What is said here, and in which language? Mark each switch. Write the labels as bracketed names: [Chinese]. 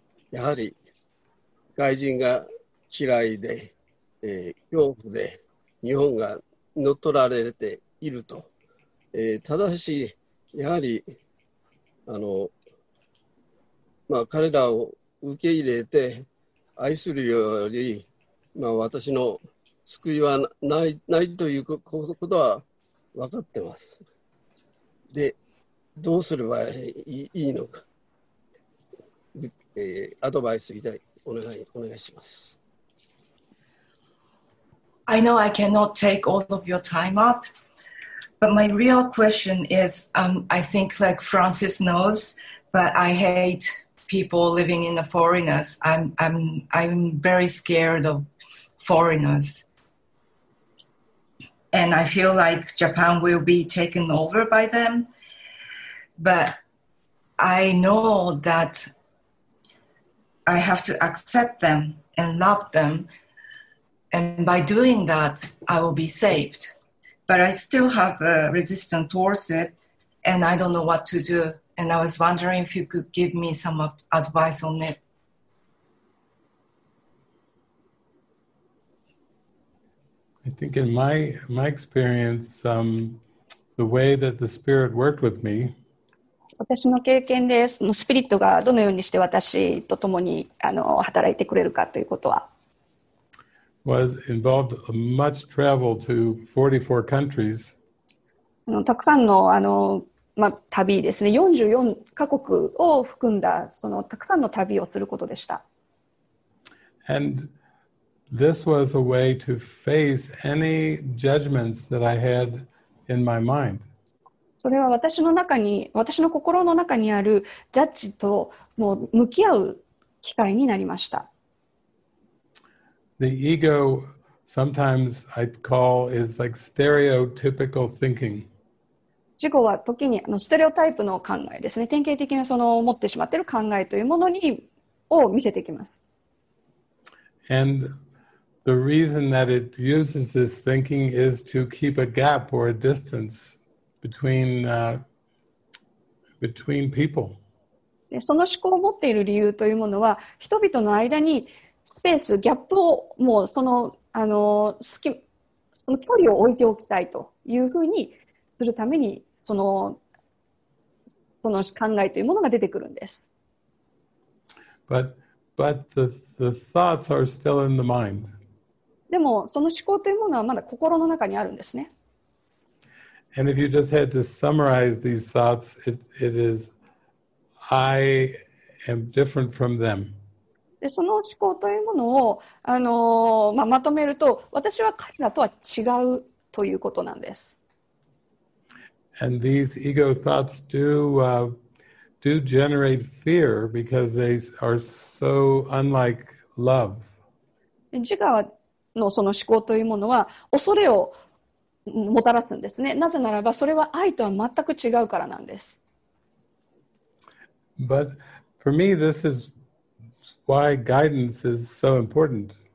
[Japanese] やはり外人が嫌いで、恐怖で日本が乗っ取られていると、ただしやはりまあ、彼らを受け入れて愛するより、まあ、私の救いはないということは分かってます。で、どうすればいいのか、アドバイスいただき、お願いします。 [English] I know I cannot take all of your time up, but my real question is, I think like Francis knows, but I hate people living in the foreigners. I'm very scared of foreigners. And I feel like Japan will be taken over by them. But I know that I have to accept them and love them. And by doing that, I will be saved. But I still have a resistance towards it, and I don't know what to do. And I was wondering if you could give me some advice on it. I think in my experience, the way that the Spirit worked with me, [Japanese] 私の経験でそのスピリットがどのようにして私と共に働いてくれるかということは、 [English] was involved much travel to 44 countries. [Japanese] たくさんの旅ですね。 44カ国を含んだそのたくさんの旅をすることでした。 [English] And this was a way to face any judgments that I had in my mind. [Japanese] それは私の心の中にあるジャッジともう向き合う機会になりました。 [English] The ego, sometimes I call, is like stereotypical thinking. [Japanese] 自己は時にステレオタイプの考えですね。典型的なその持ってしまっている考えというものにを見せてきます。 [English] And the reason that it uses this thinking is to keep a gap or a distance between people. [Japanese] で、その思考を持っている理由というものは、人々の間にスペース、ギャップをもうその距離を置いておきたいというふうにするためにその考えというものが出てくるんです。 [English] But the thoughts are still in the mind. [Japanese] でもその思考というものはまだ心の中にあるんですね。 [English] And if you just had to summarize these thoughts, it is, I am different from them. [Japanese] でその思考というものを、まとめると、私は彼らとは違うということなんです。 [English] And these ego thoughts do generate fear because they are so unlike love. [Japanese] 自我のその思考というものは恐れをもたらすんですね。なぜならばそれは愛とは全く違うからなんです。 [English] But for me, this is. Why guidance is so important.